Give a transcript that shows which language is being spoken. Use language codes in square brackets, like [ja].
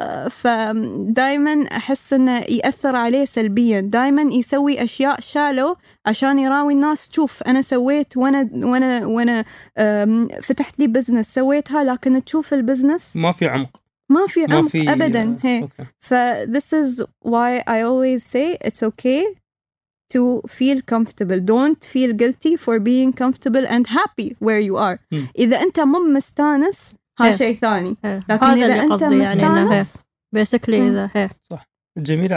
[ar] فدائما أحس أنه يأثر عليه سلبيا، دائما يسوي أشياء شالو عشان يراوي الناس تشوف أنا سويت وأنا فتحت لي بزنس سويتها، لكن تشوف البزنس ما في عمق، ما في عمق، ما في أبدا. هي [en] فthis is why I always say it's okay to feel comfortable. Don't feel guilty for being comfortable and happy where you are. [ar] إذا أنت مو مستانس هاي شيء ثاني، لكن هذا اللي قصدي يعني انه هي بيسكلي. صح، جميلة.